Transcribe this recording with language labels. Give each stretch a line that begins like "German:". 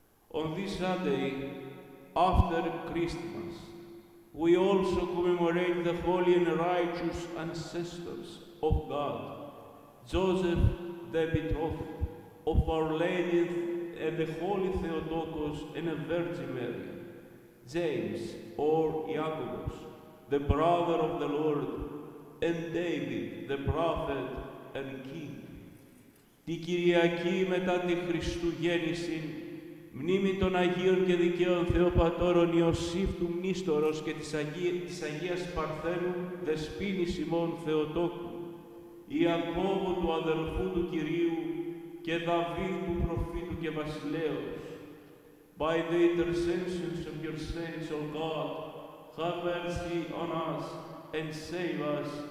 English: On this Sunday, after Christmas, we also commemorate the holy and righteous ancestors of God, Joseph the Betrothed, of Our Lady and the Holy Theotokos and a Virgin Mary, James or Iacobos, the brother of the Lord, and David, the prophet and king.
Greek: Τη Κυριακή μετά τη Χριστουγέννηση, μνήμη των Αγίων και Δικαίων Θεοπατώρων Ιωσήφτου Μνήστορος και της Αγίας Παρθένου Δεσπίνης ημών Θεοτόκου, Ιακώβου του αδελφού του Κυρίου και Δαβίδ του προφήτου και βασιλέως.
English: By the intercessions of your saints, O God, have mercy on us and save us.